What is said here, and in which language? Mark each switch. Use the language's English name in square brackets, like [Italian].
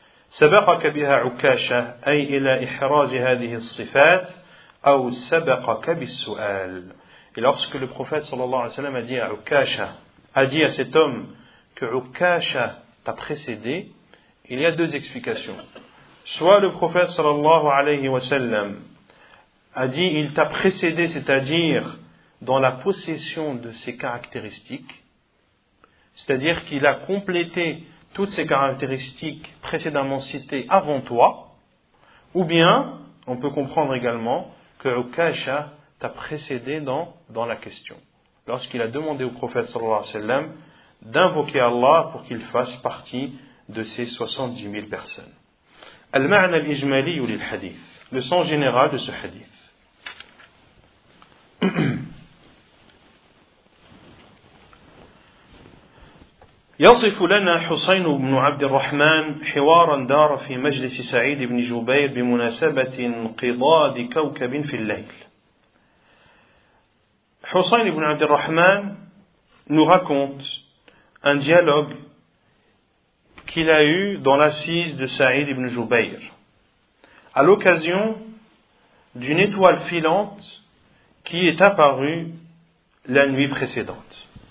[Arabic] سبقك بها عكاشة أي إلى إحراز هذه الصفات أو سبقك بالسؤال. [French] Et lorsque le prophète sallallahu alayhi wa sallam a dit à cet homme que عكاشة t'a précédé, il y a deux explications. Soit le prophète sallallahu alayhi wa sallam a dit il t'a précédé, c'est-à-dire dans la possession de ses caractéristiques, c'est-à-dire qu'il a complété toutes ces caractéristiques précédemment citées avant toi, ou bien on peut comprendre également que Ukasha t'a précédé dans la question, lorsqu'il a demandé au prophète sallallahu alayhi wa sallam d'invoquer Allah pour qu'il fasse partie de ces 70 000 personnes. [Arabic] المعنى الإجمالي للحديث. [French] Le sens général de ce hadith. [Arabic] يصف لنا حسين بن عبد الرحمن حوارا دار في مجلس سعيد بن جبير بمناسبة انقضاض كوكب في الليل. [French] حسين بن عبد الرحمن nous raconte un dialogue qu'il a eu dans l'assise de Saïd ibn Jubayr à l'occasion d'une étoile filante qui est apparue la nuit précédente.